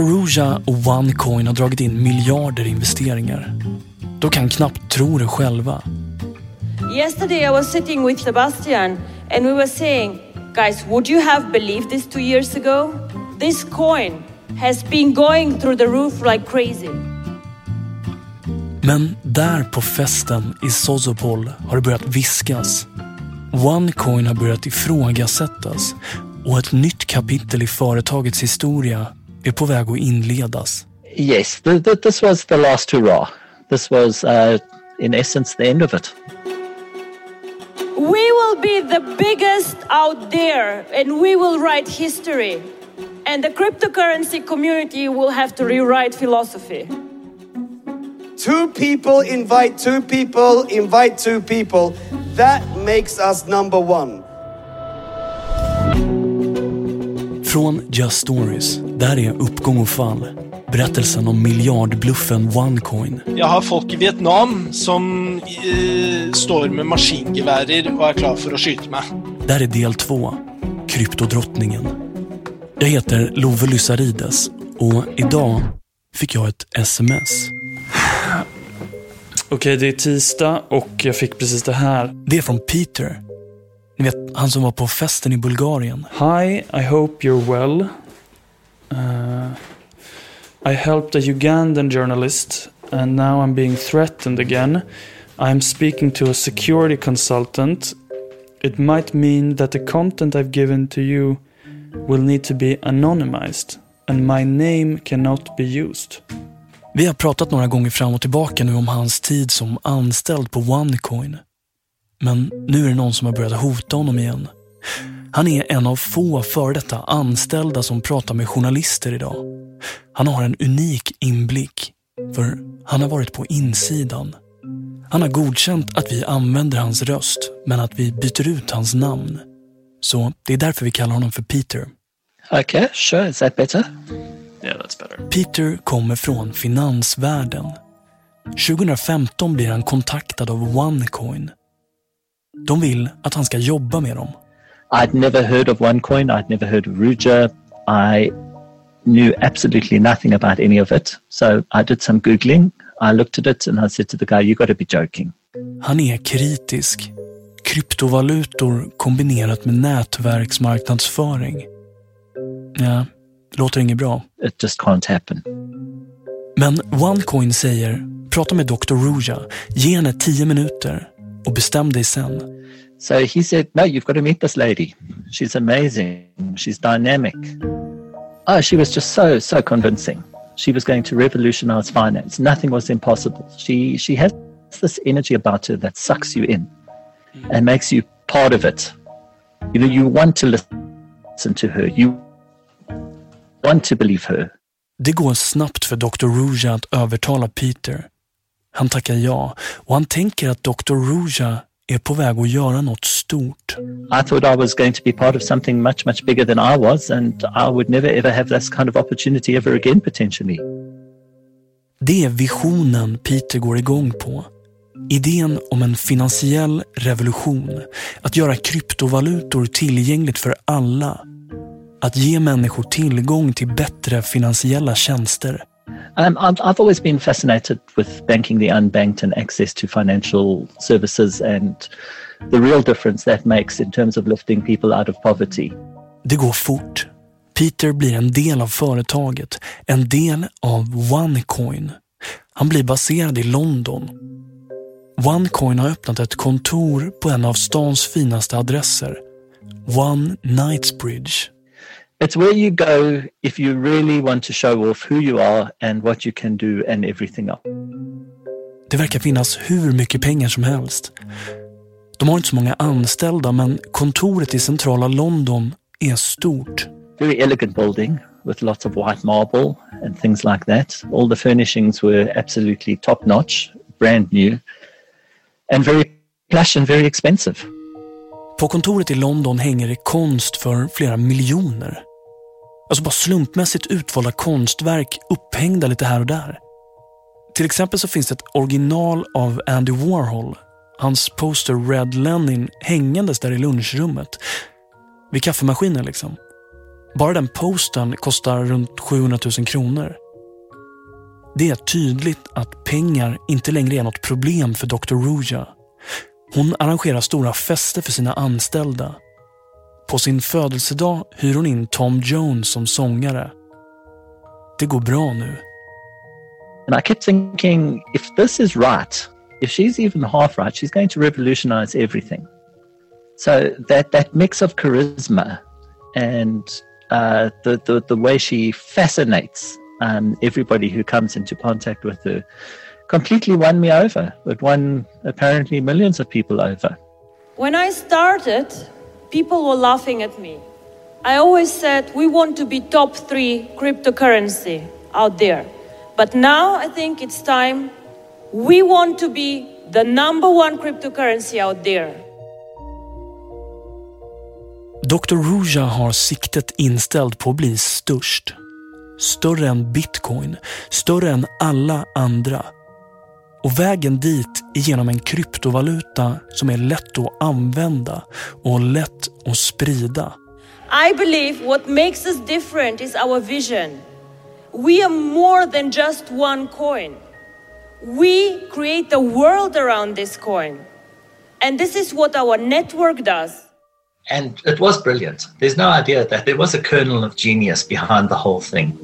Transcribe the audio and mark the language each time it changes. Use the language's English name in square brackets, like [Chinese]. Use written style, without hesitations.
[Swedish] Ruja och OneCoin har dragit in miljarder investeringar. De kan knappt tro det själva. [English] Yesterday I was sitting with Sebastian and we were saying, guys, would you have believed this 2 years ago? This coin has been going through the roof like crazy. [Swedish] Men där på festen i Sozopol har det börjat viskas. OneCoin har börjat ifrågasättas och ett nytt kapitel i företagets historia är på väg att inledas. [English] Yes, this was the last hurrah. This was in essence the end of it. We will be the biggest out there and we will write history. And the cryptocurrency community will have to rewrite philosophy. Two people invite two people, invite two people. That makes us number one. [Swedish] Från Just Stories, där är uppgång och fall. Berättelsen om miljardbluffen OneCoin. Jag har folk i Vietnam som står med maskingevärer och är klar för att skjuta mig. Där är del två, kryptodrottningen. Jag heter Love Lysarides och idag fick jag ett sms. Okej, det är tisdag och jag fick precis det här. Det är från Peter. Ni vet, han som var på festen i Bulgarien. [English] Hi, I hope you're well. I helped a Ugandan journalist and now I'm being threatened again. I'm speaking to a security consultant. It might mean that the content I've given to you will need to be anonymized and my name cannot be used. [Swedish] Vi har pratat några gånger fram och tillbaka nu om hans tid som anställd på OneCoin. Men nu är det någon som har börjat hota honom igen. Han är en av få för detta anställda som pratar med journalister idag. Han har en unik inblick, för han har varit på insidan. Han har godkänt att vi använder hans röst, men att vi byter ut hans namn. Så det är därför vi kallar honom för Peter. [English] Okay, sure. Is that better? Yeah, that's better. [Swedish] Peter kommer från finansvärlden. 2015 blir han kontaktad av OneCoin. De vill att han ska jobba med dem. [English] I'd never heard of OneCoin, I'd never heard of Ruja, I knew absolutely nothing about any of it. So I did some googling, I looked at it and I said to the guy, you got to be joking. [Swedish] Han är kritisk. Kryptovalutor kombinerat med nätverksmarknadsföring. Ja, låter inget bra. [English] It just can't happen. [Swedish] Men OneCoin säger, prata med Dr. Ruja, ge henne 10 minuter och bestäm dig sen. [English] So he said, no, you've got to meet this lady. She's amazing. She's dynamic. Oh, she was just so convincing. She was going to revolutionize finance. Nothing was impossible. She has this energy about her that sucks you in and makes you part of it. You know, you want to listen to her. You want to believe her. [Swedish] Det går snabbt för Dr. Ruja att övertala Peter. Han tackar ja, och han tänker att Dr. Ruja är på väg att göra något stort. [English] I thought I was going to be part of something much, much bigger than I was, and I would never ever have this kind of opportunity ever again, potentially. [Swedish] Det är visionen Peter går igång på. Idén om en finansiell revolution. Att göra kryptovalutor tillgängligt för alla. Att ge människor tillgång till bättre finansiella tjänster. [English] I've always been fascinated with banking the unbanked and access to financial services and the real difference that makes in terms of lifting people out of poverty. [Swedish] Det går fort. Peter blir en del av företaget, en del av OneCoin. Han blir baserad i London. OneCoin har öppnat ett kontor på en av stans finaste adresser, One Knightsbridge. [English] It's where you go if you really want to show off who you are and what you can do and everything else. [Swedish] Det verkar finnas hur mycket pengar som helst. De har inte så många anställda, men kontoret i centrala London är stort. [English] Very elegant building with lots of white marble and things like that. All the furnishings were absolutely top notch, brand new and very plush and very expensive. [Swedish] På kontoret i London hänger det konst för flera miljoner. Alltså bara slumpmässigt utvalda konstverk upphängda lite här och där. Till exempel så finns det ett original av Andy Warhol. Hans poster Red Lenin hängandes där i lunchrummet. Vid kaffemaskinen liksom. Bara den postern kostar runt 700 000 kronor. Det är tydligt att pengar inte längre är något problem för Dr. Ruja. Hon arrangerar stora fester för sina anställda. På sin födelsedag hyr hon in Tom Jones som sångare. Det går bra nu. [English] And I kept thinking, if this is right, if she's even half right, she's going to revolutionize everything. So that mix of charisma and the way she fascinates everybody who comes into contact with her completely won me over. It won apparently millions of people over. When I started, people were laughing at me. I always said we want to be top three cryptocurrency out there. But now I think it's time we want to be the number one cryptocurrency out there. [Swedish] Dr. Ruja har siktet inställt på att bli störst. Större än bitcoin, större än alla andra. Och vägen dit är genom en kryptovaluta som är lätt att använda och lätt att sprida. [English] I believe what makes us different is our vision. We are more than just one coin. We create the world around this coin. And this is what our network does. And it was brilliant. There's no idea that there was a kernel of genius behind the whole thing.